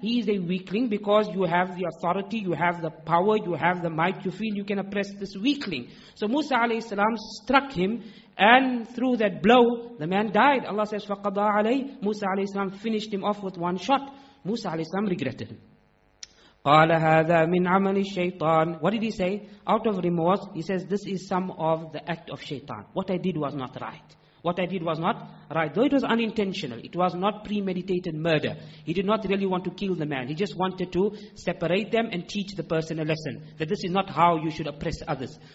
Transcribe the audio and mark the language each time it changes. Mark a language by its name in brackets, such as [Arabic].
[English] He is a weakling because you have the authority, you have the power, you have the might. You feel you can oppress this weakling. So Musa alayhi salam struck him, and through that blow, the man died. Allah says, [Arabic] فَقَضَى عَلَيْهِ [English] Musa alayhi salam finished him off with one shot. Musa alayhi salam regretted him. [Arabic] قَالَ هَذَا مِنْ عَمَلِ الشَّيْطَانِ [English] What did he say? Out of remorse, he says, this is some of the act of shaitan. What I did was not right. What I did was not right. Though it was unintentional, it was not premeditated murder. He did not really want to kill the man. He just wanted to separate them and teach the person a lesson, that this is not how you should oppress others.